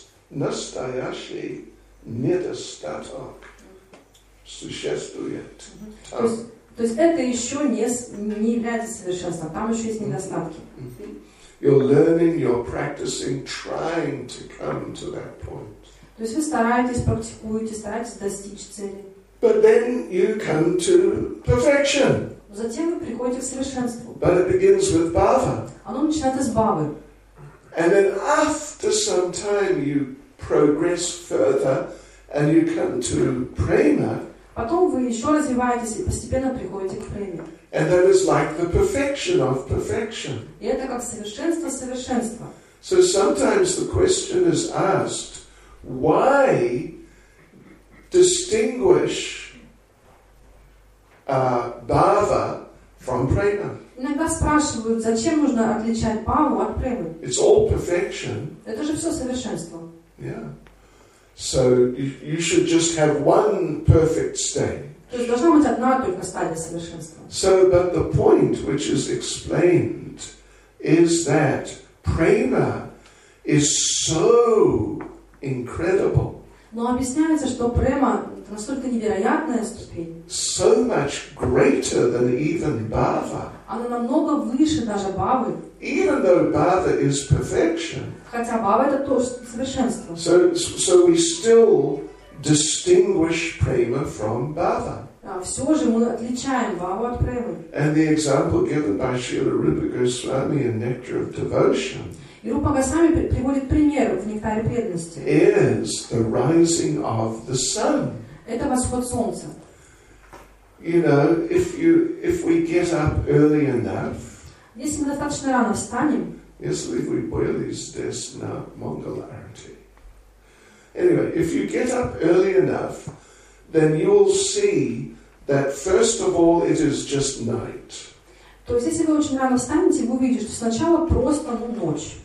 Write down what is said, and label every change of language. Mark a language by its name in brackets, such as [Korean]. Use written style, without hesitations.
[Russian] Настоящий недостаток существует. То есть это еще не является совершенством, там еще есть недостатки. [English] You're learning, you're practicing, trying to come to that point. [Russian] То есть вы стараетесь, практикуете, стараетесь достичь цели. [English] But then you come to perfection. [Russian] Затем вы приходите к совершенству. [English] But it begins with bhava. [Russian] Оно начинается с бхавы. [English] And then after some time you progress further and you come to prema. [Russian] Потом вы еще развиваетесь и постепенно приходите к преме. [English] And that is like the perfection of perfection. [Russian] И это как совершенство совершенства. [English] So sometimes the question is asked, why distinguish bhava from prema? [Russian] Иногда спрашивают, зачем нужно отличать бхаву от премы? [English] It's all perfection. [Russian] Это же все совершенство. [English] Yeah. So you should just have one perfect state. [Russian] То есть должна быть одна только стадия совершенства. [English] So, but the point which is explained is that prema is so incredible. [Russian] Но объясняется, что према это настолько невероятная ступень. [English] So much greater than even bhava. [Russian] Она намного выше даже бхавы. [English] Even though bhava is perfection. [Russian] Хотя бхава это тоже совершенство. [English] So we still distinguish prema from bhava. [Russian] Все же мы отличаем бхаву от премы. [English] And the example given by Srila Rupa Goswami in Nectar of Devotion. [Russian] И Рупа Госвами приводит пример в Нектаре преданности. [English] Is the rising of the sun. [Russian] Это восход солнца. [English] You know, if we get up early enough. [Russian] Если мы достаточно рано встанем. [English] Yes, if we boil this now, Mongol arity. Anyway, if you get up early enough, then you will see that first of all it is just night. [Russian] То есть если вы очень рано встанете, вы увидите, что сначала просто ночь.